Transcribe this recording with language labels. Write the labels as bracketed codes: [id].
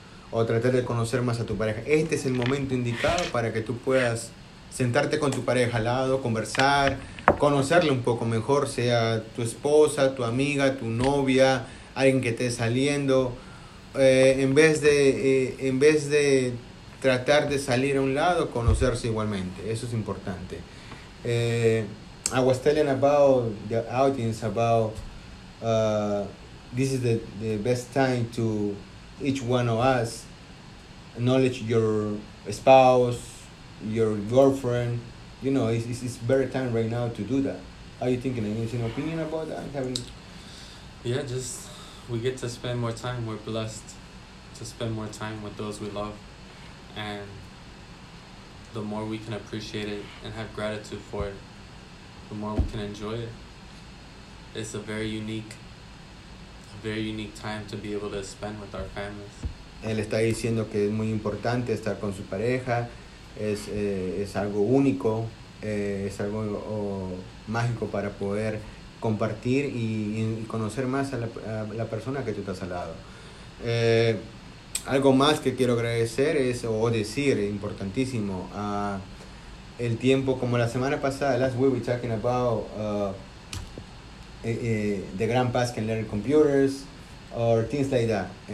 [es] O tratar de conocer más a tu pareja. Este es el momento indicado para que tú puedas sentarte con tu pareja al lado, conversar, conocerle un poco mejor, sea tu esposa, tu amiga, tu novia, alguien que esté saliendo. En vez de tratar de salir a un lado, conocerse igualmente. Eso es importante. [en] I was telling about the audience about this is the best time to each one of us acknowledge your spouse, your girlfriend. You know, it's better time right now to do that. Are you thinking? Any opinion about that? Having Yeah, just we get to spend more time. We're blessed to spend more time with those we love. And the more we can appreciate it and have gratitude for it, the more we can enjoy it. It's a very unique time to be able to spend with our families. [es] Él está diciendo que es muy importante estar con su pareja, es algo único, es algo mágico para poder compartir y conocer más a la persona que tú estás al lado. Algo más que quiero agradecer es, o decir, importantísimo, el tiempo, como la semana pasada, [en] last week we talking about the grand past can learn computers or things like that.